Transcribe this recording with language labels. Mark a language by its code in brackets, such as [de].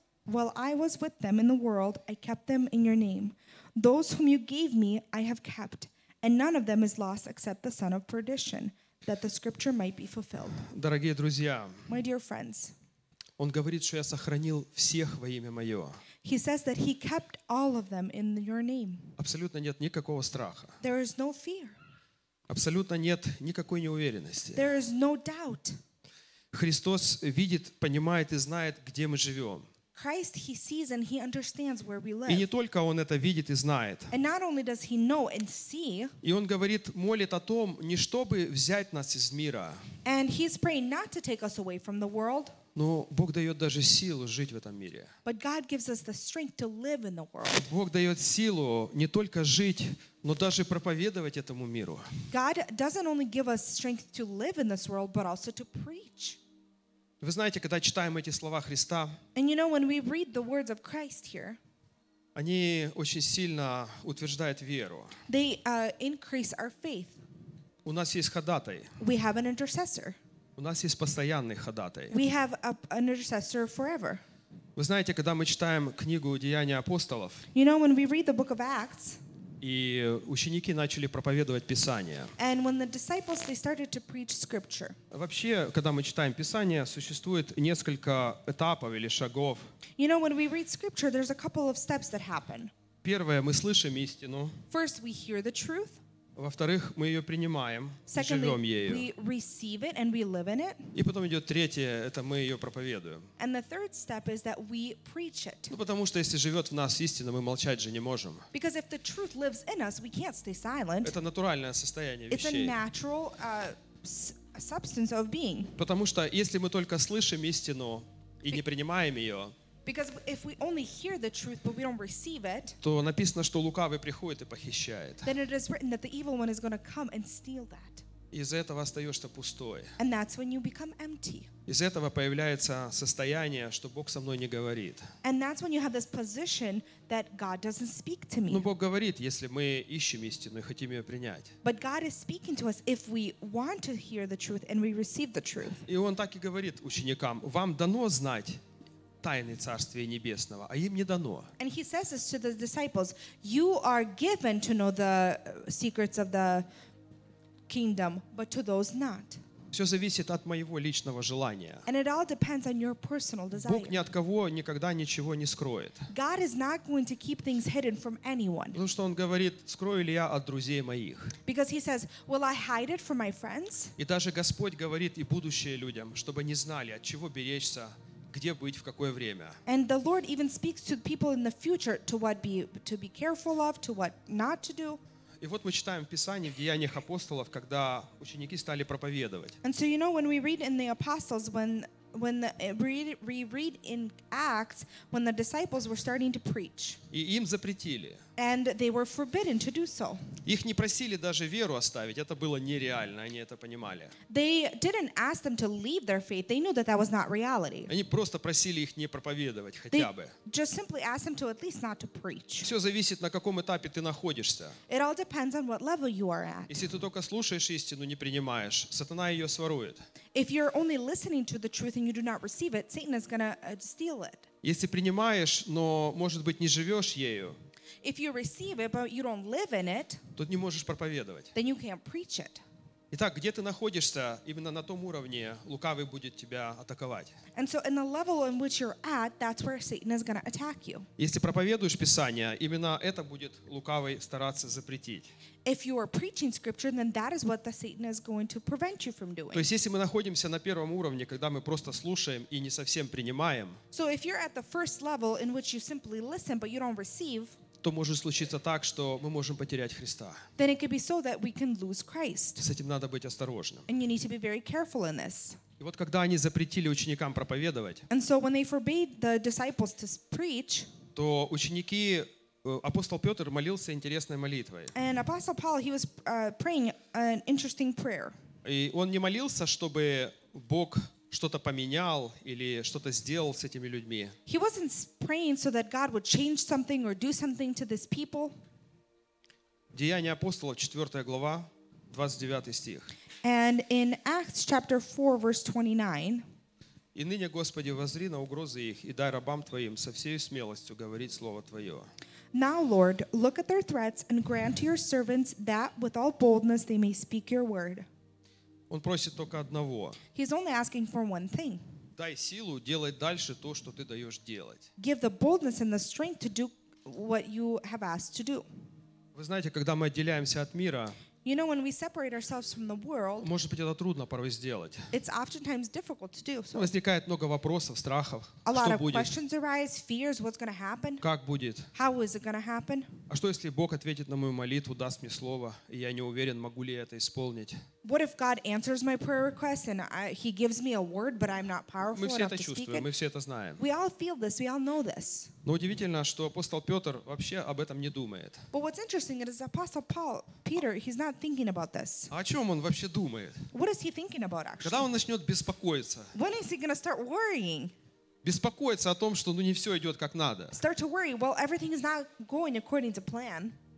[en] While I was with them in the world, I kept them in your name. Those whom you gave me, I have kept, and none of them is lost except the son of perdition, that the scripture might be fulfilled. [ru] Дорогие друзья, [en] my dear friends, [ru] он говорит, что я сохранил всех во имя мое. [en] He says that he kept all of them in your name. [ru] Абсолютно нет никакого страха. [en] There is no fear. [ru] Абсолютно нет никакой неуверенности. [en] There is no doubt. [ru] Христос видит, понимает и знает, где мы живем. [en] Christ, he sees and he understands where we live. [ru] И не только он это видит и знает. [en] And not only does he know and see. [ru] И он говорит, молит о том, не чтобы взять нас из мира. [en] And he's praying not to take us away from the world. [ru] Но Бог дает даже силу жить в этом мире. [en] But God gives us the strength to live in the world. [ru] Бог дает силу не только жить, но даже проповедовать этому миру. [en] God doesn't only give us strength to live in this world, but also to preach. [ru] Вы знаете, когда читаем эти слова Христа, [en] and you know, when we read the words of Christ here, [ru] они очень сильно утверждают веру. [en] They increase our faith. [ru] У нас есть ходатай. [en] We have an intercessor. [ru] У нас есть постоянный ходатай. [en] We have an intercessor forever. [ru] Вы знаете, когда мы читаем книгу Деяния апостолов, [en] you know, when we read the book of Acts, [ru] и ученики начали проповедовать Писание. [en] And when the disciples, they started to preach scripture. [ru] Вообще, когда мы читаем Писание, существует несколько этапов или шагов. [en] You know, when we read scripture, there's a couple of steps that happen. [ru] Первое, мы слышим истину. [en] First, we hear the truth. [ru] Во-вторых, мы ее принимаем, [en] secondly, [ru] живем ею. [en] We receive it and we live in it. [ru] И потом идет третье, это мы ее проповедуем. [en] And the third step is that we preach it. [ru] Ну, потому что если живет в нас истина, мы молчать же не можем. [en] Because if the truth lives in us, we can't stay silent. [ru] Это натуральное состояние вещей. [en] It's a natural substance of being. [ru] Потому что если мы только слышим истину и не принимаем ее, [en] because if we only hear the truth but we don't receive it, [ru] то написано, что лукавый приходит и похищает. [en] Then it is written that the evil one is going to come and steal that. [ru] Из этого остаешься пустой. [en] And that's when you become empty. [ru] Из этого появляется состояние, что Бог со мной не говорит. [en] And that's when you have this position that God doesn't speak to me. [ru] Но Бог говорит, если мы ищем истину и хотим ее принять. [en] But God is speaking to us if we want to hear the truth and we receive the truth. [ru] И он так и говорит ученикам: вам дано знать тайны Царствия Небесного, а им не дано. [en] And he says this to the disciples, you are given to know the secrets of the kingdom, but to those not. [ru] Все зависит от моего личного желания. [en] And it all depends on your personal desire. [ru] Бог ни от кого никогда ничего не скроет. [en] God is not going to keep things hidden from anyone. [ru] Потому что он говорит, скрою ли я от друзей моих. [en] Because he says, will I hide it from my friends? [ru] И даже Господь говорит и будущее людям, чтобы не знали, от чего беречься, где быть, в какое время. [en] And the Lord even speaks to people in the future to what to be careful of, to what not to do. [ru] И вот мы читаем в Писании, в Деяниях апостолов, когда ученики стали проповедовать. [en] And so you know, when we read in the apostles, when we read in Acts, when the disciples were starting to preach. [ru] И им запретили. [en] And they were forbidden to do so. [ru] Их не просили даже веру оставить. Это было нереально. Они это понимали. [en] They didn't ask them to leave their faith. They knew that that was not reality. [ru] Они просто просили их не проповедовать хотя [en] they [ru] бы. [en] Just simply asked them to at least not to preach. [ru] Все зависит, на каком этапе ты находишься. [en] It all depends on what level you are at. [ru] Если ты только слушаешь истину, не принимаешь, сатана ее сворует. [en] If you're only listening to the truth and you do not receive it, Satan is going to steal it. [ru] Если принимаешь, но, может быть, не живешь ею, [en] if you receive it, but you don't live in it, [ru] тут не можешь проповедовать. [en] Then you can't preach it. [ru] Итак, где ты находишься, именно на том уровне лукавый будет тебя атаковать. [en] And so in the level in which you're at, that's where Satan is going to attack you. [ru] Если проповедуешь Писание, именно это будет лукавый стараться запретить. [en] If you are preaching scripture, then that is what the Satan is going to prevent you from doing. [ru] То есть если мы находимся на первом уровне, когда мы просто слушаем и не совсем принимаем, [en] so if you're at the first level in which you simply listen but you don't receive, [ru] то может случиться так, что мы можем потерять Христа. [en] Then it could be so that we can lose Christ. [ru] С этим надо быть осторожным. [en] And you need to be very careful in this. [ru] И вот когда они запретили ученикам проповедовать, [en] and so when they forbade the disciples to preach, [ru] то ученики, апостол Петр молился интересной молитвой. [en] And Apostle Paul, he was praying an interesting prayer. [ru] И он не молился, чтобы Бог что-то поменял или что-то сделал с этими людьми. [en] He wasn't praying so that God would change something or do something to these people. [ru] Деяния апостолов, 4 глава, 29 стих. [en] And in Acts chapter 4, verse 29. [ru] И ныне, Господи, воззри на угрозы их и дай рабам Твоим со всей смелостью говорить Слово Твое. [en] Now, Lord, look at their threats and grant to your servants that with all boldness they may speak your word. [ru] Он просит только одного. [en] He's only asking for one thing. [ru] Дай силу делать дальше то, что ты даешь делать. [en] Give the boldness and the strength to do what you have asked to do. [ru] Вы знаете, когда мы отделяемся от мира, [en] you know, when we separate ourselves from the world, [ru] может быть, это трудно порой сделать. [en] It's oftentimes difficult to do. So [ru] возникает много вопросов, страхов. [en] A lot [ru] что [en] of [ru] будет? [en] Questions arise, fears, what's going to happen? [ru] Как будет? [en] How is it going to happen? [ru] А что, если Бог ответит на мою молитву, даст мне слово, и я не уверен, могу ли я это исполнить? [en] What if God answers my prayer request and he gives me a word, but I'm not powerful enough to speak it? [ru] Мы все это чувствуем, мы все это знаем. [en] We all feel this, we all know this. [ru] Но удивительно, что апостол Петр вообще об этом не думает. [en] But what's interesting is Apostle Paul, Peter, he's not thinking about this. [ru] О чем он вообще думает? [en] What is he thinking about, actually? [ru] Когда он начнет беспокоиться? [en] When is he going to start worrying? [ru] Беспокоиться о том, что ну не все идет как надо. [en] Start to worry, well, everything is not going according to plan.